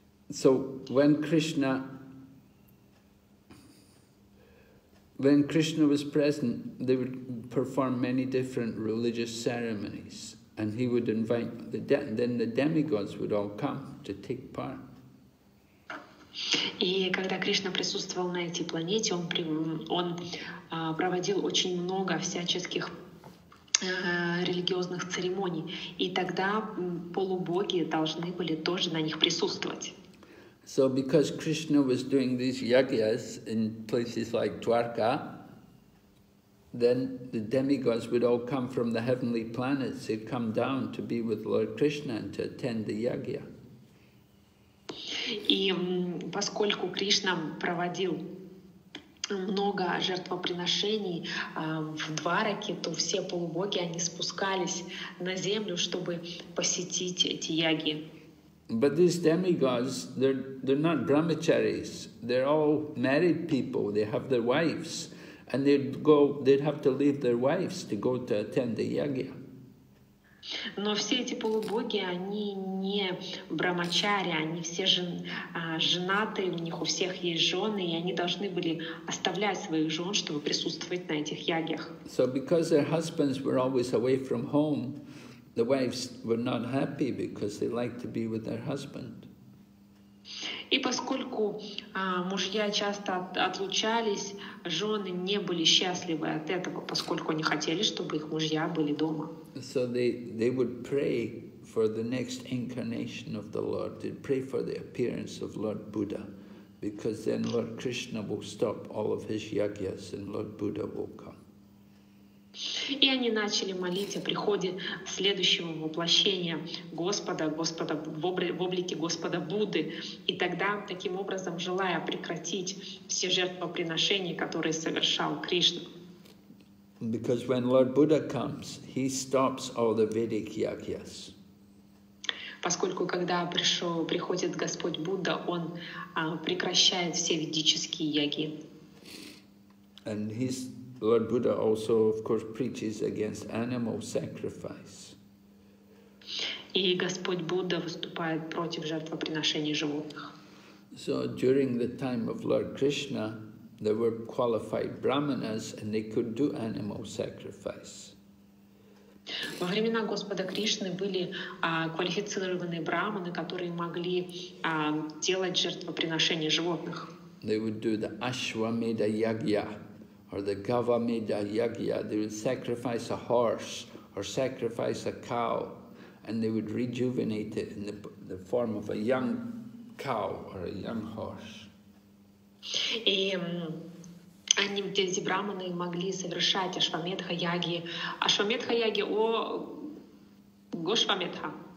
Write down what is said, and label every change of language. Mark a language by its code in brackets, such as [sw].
[en] So when Krishna was present, they would perform many different religious ceremonies, and he would invite the then the demigods would all come to take part. [ru] И когда Кришна присутствовал на этой планете, он проводил очень много всяческих религиозных церемоний, и тогда полубоги должны были тоже на них присутствовать. [en] So because Krishna was doing these yagyas in places like Dwarka, then the demigods would all come from the heavenly planets. They'd come down to be with Lord Krishna and to attend the yagya. [ru] И поскольку Кришна проводил много жертвоприношений в Двараке, то все полубоги, они спускались на землю, чтобы посетить эти яги. [en] But these demigods, they're not brahmacharis. They're all married people. They have their wives, and they'd have to leave their wives to go to attend the yagya. [ru] Но все эти полубоги, они не брамачари, они все женаты, у них у всех есть жены, и они должны были оставлять своих жен, чтобы присутствовать на этих ягьях. [en] So because their husbands were always away from home, the wives were not happy because they liked to be with their husband. [ru] И поскольку мужья часто отлучались, жены не были счастливы от этого, поскольку они хотели, чтобы их мужья были дома. [en] So they would pray for the next incarnation of the Lord. They'd pray for the appearance of Lord Buddha, because then Lord Krishna will stop all of his yagyas and Lord Buddha will come. [ru] И они начали молить о приходе следующего воплощения Господа в облике Господа Будды. И тогда, таким образом, желая прекратить все жертвоприношения, которые совершал Кришна. [en] Because when Lord Buddha comes, he stops all the Vedic yagyas. [ru] Поскольку, когда приходит Господь Будда, он прекращает все ведические яги. [en] And he's Lord Buddha also, of course, preaches against animal sacrifice. [ru] И Господь Будда выступает против жертвоприношений животных. [en] So during the time of Lord Krishna, they were qualified brahmanas and they could do animal sacrifice. [ru] Во времена Господа Кришны были квалифицированные брахманы, которые могли делать жертвоприношения животных. [en] They would do the Ashwamedha Yagya or the Gavamedha Yagya. They would sacrifice a horse or sacrifice a cow and they would rejuvenate it in the form of a young cow or a young horse. [ru] И они, эти брахманы, могли совершать Ашвамедха Яги. Ашвамедха Яги, о Гошвамедха.